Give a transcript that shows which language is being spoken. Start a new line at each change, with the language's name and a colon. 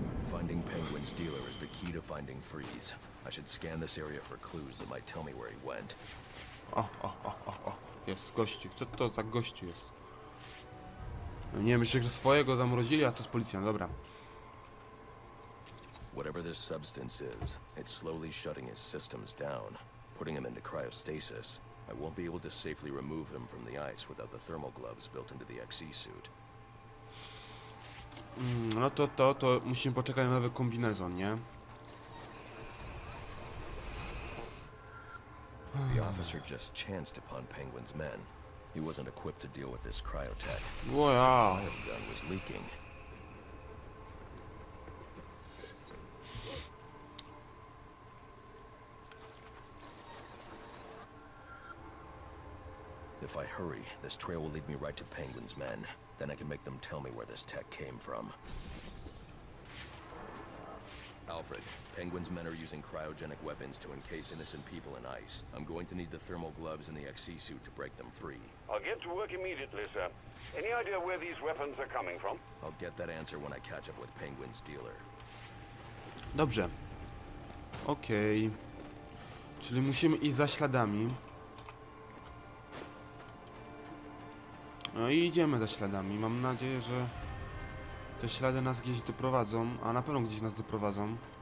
English: Finding Penguin's dealer is the key to finding Freeze. I should scan this area for clues that might tell me where he went.
Polish: O. Jest gościu. Co to za gościu jest? No nie, myślę, że swojego zamrozili, a to z policją. Dobra.
English: Whatever this substance is, it's slowly shutting his systems down. Putting him into cryostasis, I won't be able to safely remove him from the ice without the thermal gloves built into the XE suit.
Polish: No to musimy poczekać na nowy kombinezon, nie?
English: The officer just chanced upon Penguin's men. He wasn't equipped to deal with this cryotech. Wow. The gun was leaking. If I hurry, this trail will lead me right to Penguin's men. Then I can make them tell me where this tech came from. Alfred, Penguin's men are using cryogenic weapons to encase innocent people in ice. I'm going to need the thermal gloves and the XC suit to break them free. I'll get to work immediately, sir. Any idea where these weapons are coming from? I'll get that answer when I catch up with Penguin's dealer.
Polish: Dobrze. Okej. Czyli musimy iść za śladami. No i idziemy za śladami. Mam nadzieję, że te ślady nas gdzieś doprowadzą, a na pewno gdzieś nas doprowadzą.